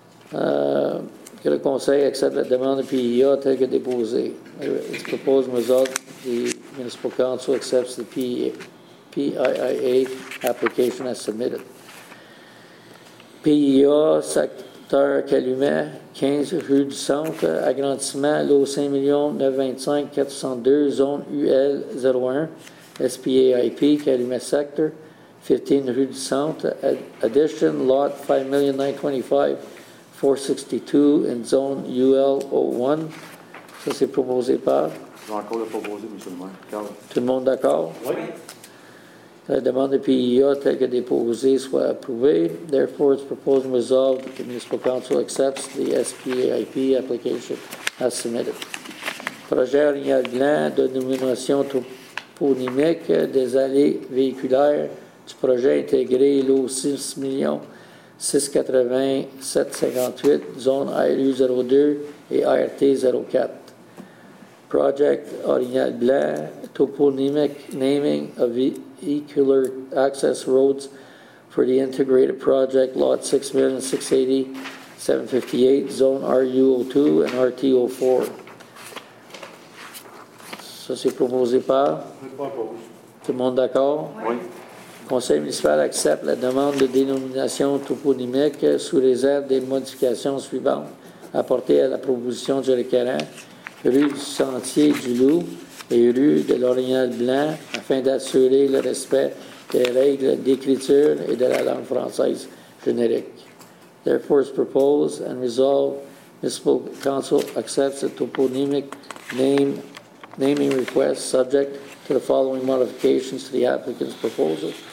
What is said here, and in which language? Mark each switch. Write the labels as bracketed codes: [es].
[fr] Que le conseil accepte la demande de PIA telle que déposée. [en] It's proposed and resolved the municipal council accepts the PIA application as submitted. [fr] PIA, secteur Calumet, 15 rue du Centre, agrandissement, lot 5,925,402, zone UL01, [en] SPAIP, Calumet Sector, 15 rue du Centre, addition, lot 5,925,462 in zone UL01. [fr] Ça, c'est proposé par? J'ai encore le proposé, M. le maire. Tout le monde d'accord? Oui. La demande de PIA telle que déposée soit approuvée. [en] Therefore, it's proposed and resolved that the Municipal Council accepts the SPAIP application as submitted. [fr] Projet Rignal Blanc de dénomination toponymique des allées véhiculaires du projet intégré lot 6,087,58, zone ARU02 et ART04. [en] Project Orignal Blanc, toponymic naming of vehicular access roads for the integrated project, lot 6,680,758, zone RU02 and RT04. [fr] Ça, c'est proposé par? Tout le monde d'accord? Oui. Le conseil municipal accepte la demande de dénomination toponymique sous réserve des modifications suivantes apportées à la proposition du requérant, rue du Sentier du Loup et rue de l'Orignal Blanc, afin d'assurer le respect des règles d'écriture et de la langue française générique. [en] Therefore, it's proposed and resolved, municipal council accepts a toponymic naming request subject to the following modifications to the applicant's proposal.